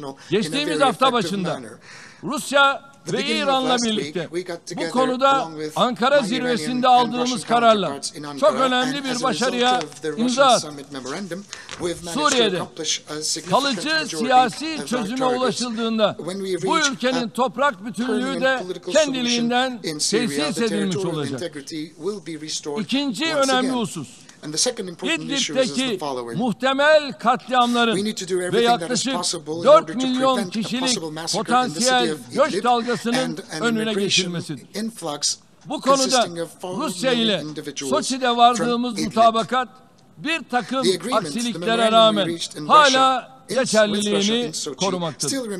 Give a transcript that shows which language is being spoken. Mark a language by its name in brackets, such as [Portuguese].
[Turkish] Geçtiğimiz hafta başında Rusya ve İran'la birlikte bu konuda Ankara zirvesinde aldığımız kararla çok önemli bir başarıya imza attık. Suriye'de kalıcı siyasi çözüme ulaşıldığında bu ülkenin toprak bütünlüğü de kendiliğinden tesis edilmiş olacak. İkinci önemli husus. [English] And the second important issue is the following. [Turkish] Muhtemel katliamların ve yaklaşık 4 milyon kişilik potansiyel göç dalgasının önüne geçilmesidir. Bu konuda Rusya ile Soçi'de vardığımız mutabakat bir takım aksiliklere rağmen hala geçerliliğini korumaktadır.